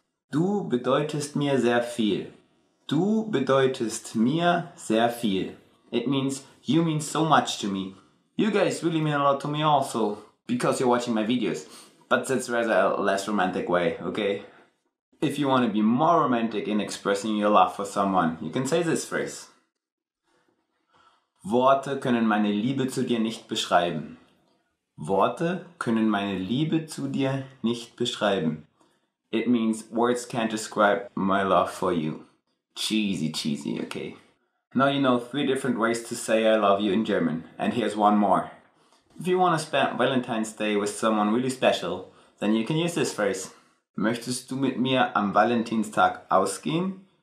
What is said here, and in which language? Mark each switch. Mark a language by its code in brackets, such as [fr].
[de] Du bedeutest mir sehr viel. Du bedeutest mir sehr viel. [en] It means you mean so much to me. You guys really mean a lot to me also, because you're watching my videos. But that's rather a less romantic way, okay? If you want to be more romantic in expressing your love for someone, you can say this phrase. [de] Worte können meine Liebe zu dir nicht beschreiben. Worte können meine Liebe zu dir nicht beschreiben. [en] It means words can't describe my love for you. Cheesy, okay? Now you know three different ways to say I love you in German. And here's one more. If you want to spend Valentine's Day with someone really special, then you can use this phrase. [de] Möchtest du mit mir am Valentinstag ausgehen?